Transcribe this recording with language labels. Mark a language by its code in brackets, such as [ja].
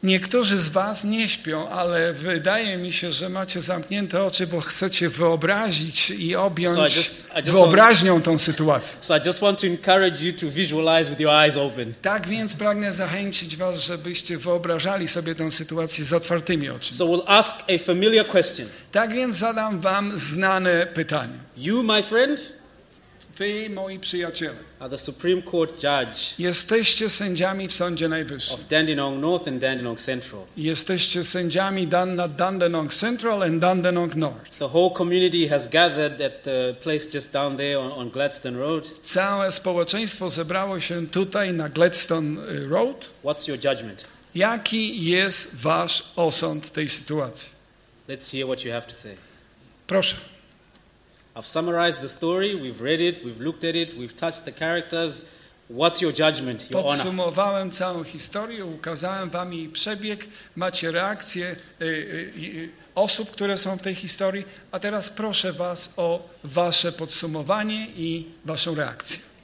[pl] Niektórzy z was nie śpią, ale wydaje mi się, że macie zamknięte oczy, bo chcecie wyobrazić i objąć wyobraźnią tą sytuację. [en] So I just want to encourage you to visualize with your eyes open. [pl] Tak więc pragnę zachęcić was, żebyście wyobrażali sobie tę sytuację z otwartymi oczami. [en] So we'll ask a familiar question. [pl] Tak więc zadam wam znane pytanie. [en] You, my friend? [pl] Wy, moi przyjaciele, [en] are the Supreme Court judge. [pl] Jesteście sędziami w Sądzie Najwyższym. [en] Of Dandenong North and Dandenong Central. [pl] Jesteście sędziami Dandenong Central and Dandenong North. [en] The whole community has gathered at the place just down there on Gladstone Road. [pl] Całe społeczeństwo zebrało się tutaj na Gladstone Road. [en] What's your judgment? [pl] Jaki jest wasz osąd tej sytuacji? [en] Let's hear what you have to say. [pl] Proszę. [en] I've summarized the story, we've read it, we've looked at it, we've touched the characters. What's your judgment, Your [pl] Podsumowałem [en] Honor? [pl] Podsumowałem całą historię, ukazałem wam jej przebieg, macie reakcję osób, które są w tej historii, a teraz proszę was o wasze podsumowanie i waszą reakcję.